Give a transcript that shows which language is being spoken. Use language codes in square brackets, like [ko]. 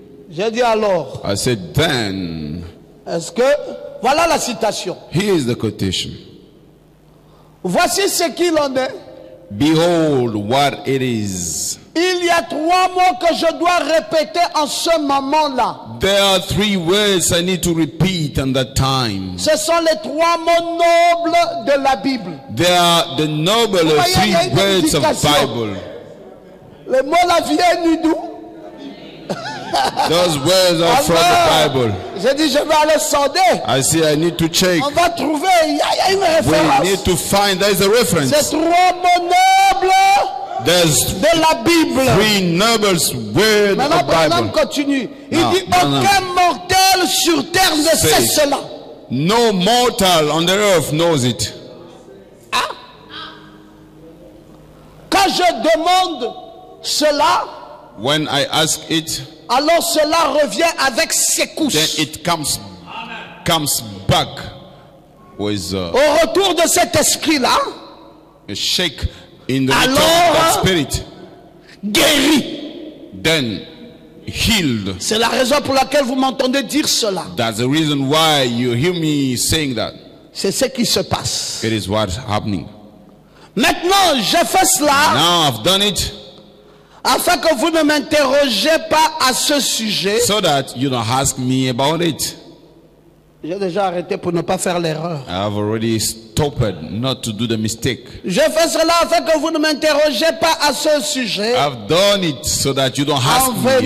[fr] J'ai dit alors. [en] I said then. [fr] Est-ce que voilà la citation. [en] Here is the quotation. [fr] Voici ce qu'il en est. [en] Behold what it is. [fr] Il y a trois mots que je dois répéter en ce moment-là. [en] There are three words I need to repeat in that time. [fr] Ce sont les trois mots nobles de la Bible. [en] They are the noble [fr] voyez, [en] three words of Bible. [fr] Les mots là viennent d'où? [en] Those words are from the Bible. [fr] J'ai dit je vais aller sonder. [en] I see I need to check. [fr] On va trouver, il y a une référence. [en] We need to find, there is a reference. [fr] C'est trois mots nobles. [en] There's [fr] de la Bible. [en] Three noble words of the Bible. [fr] Maintenant continue. Il no, dit non, aucun non. Mortel sur terre ne say, sait cela. [en] No mortal on the earth knows it. Ah? [fr] Quand je demande cela. [en] When I ask it. [fr] Alors cela revient avec secousse. [en] Then it comes back with. [fr] Au retour de cet esprit là. [en] A shake in the return of that spirit. [fr] guéri. [en] Then healed. [fr] C'est la raison pour laquelle vous m'entendez dire cela. [en] That's the reason why you hear me saying that. [fr] C'est ce qui se passe. [en] It is what's happening. [fr] Maintenant, je fais cela. [en] Now I've done it. [fr] Afin que vous ne m'interrogez pas à ce sujet. [en] So that you don't ask me about it. [fr] J'ai déjà arrêté pour ne pas faire l'erreur. [en] I've already stopped not to do the mistake. [fr] Je fais cela afin que vous ne m'interrogez pas à ce sujet. [en] I've done it so that you don't ask me about it.